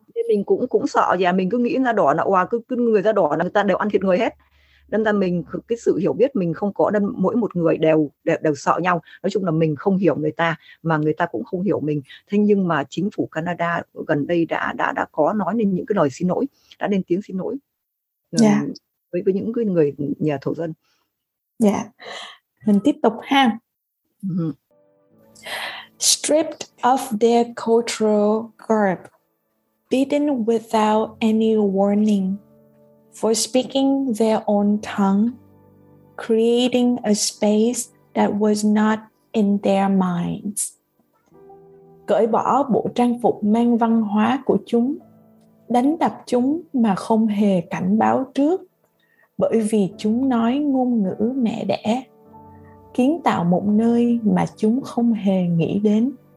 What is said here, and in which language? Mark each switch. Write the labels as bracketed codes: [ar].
[vi] nên mình cũng sợ, mình cứ nghĩ da đỏ là oà, cứ người da đỏ là người ta đều ăn thịt người hết, đâm ra mình cái sự hiểu biết mình không có, nên mỗi một người đều sợ nhau, nói chung là mình không hiểu người ta mà người ta cũng không hiểu mình. Thế nhưng mà chính phủ Canada gần đây đã có nói lên những cái lời xin lỗi, đã lên tiếng xin lỗi với những cái người nhà thổ dân. Mình tiếp tục ha. [en] Stripped of their cultural garb, beaten without any warning, for speaking their own tongue, creating a space that was not in their minds. [vi] Cởi bỏ bộ trang phục mang văn hóa của chúng, đánh đập chúng mà không hề cảnh báo trước, bởi vì chúng nói ngôn ngữ mẹ đẻ, kiến tạo một nơi mà chúng không hề nghĩ đến.